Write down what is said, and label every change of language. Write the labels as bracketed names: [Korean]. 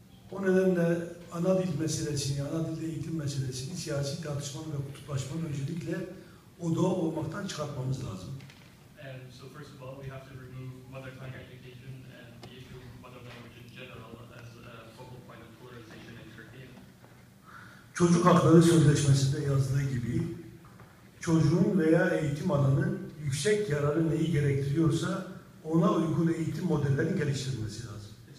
[Turkish] O nedenle ana dil meselesini, ana dilde eğitim meselesini siyasi tartışmanın ve kutuplaşmanın öncelikle odağı olmaktan çıkartmamız lazım. [English] So first of all, we have to remove mother tongue education and the issue of mother language in general as a focal point of polarization in Turkey. [Turkish] Çocuk hakları sözleşmesinde yazdığı gibi, çocuğun veya eğitim alanının yüksek yararı neyi gerektiriyorsa ona uygun eğitim modellerini geliştirmesi lazım.